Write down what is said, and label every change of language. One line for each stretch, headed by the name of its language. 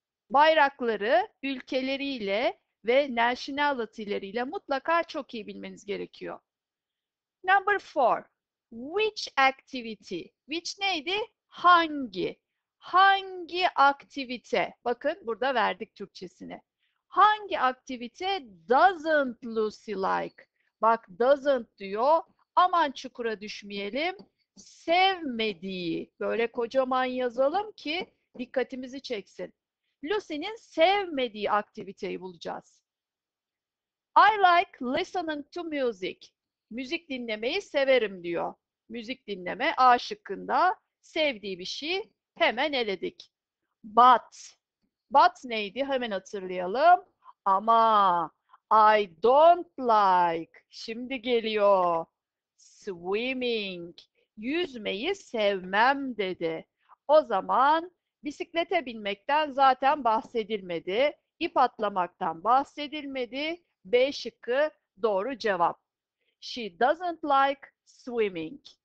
Turkish: Bayrakları ülkeleriyle ve nationality'leriyle mutlaka çok iyi bilmeniz gerekiyor.
English: Number four. Which activity? Which
Turkish: neydi? Hangi? Hangi aktivite? Bakın burada verdik Türkçesini. Hangi aktivite
English: doesn't Lucy like?
Turkish: Bak doesn't diyor. Aman çukura düşmeyelim. Sevmediği. Böyle kocaman yazalım ki dikkatimizi çeksin. Lucy'nin sevmediği aktiviteyi bulacağız.
English: I like listening to music.
Turkish: Müzik dinlemeyi severim diyor. Müzik dinleme A şıkkında sevdiği bir şey hemen eledik. But. But neydi? Hemen hatırlayalım. Ama.
English: I don't like.
Turkish: Şimdi geliyor. Swimming. Yüzmeyi sevmem dedi. O zaman bisiklete binmekten zaten bahsedilmedi. İp atlamaktan bahsedilmedi. B şıkkı doğru cevap.
English: She doesn't like swimming.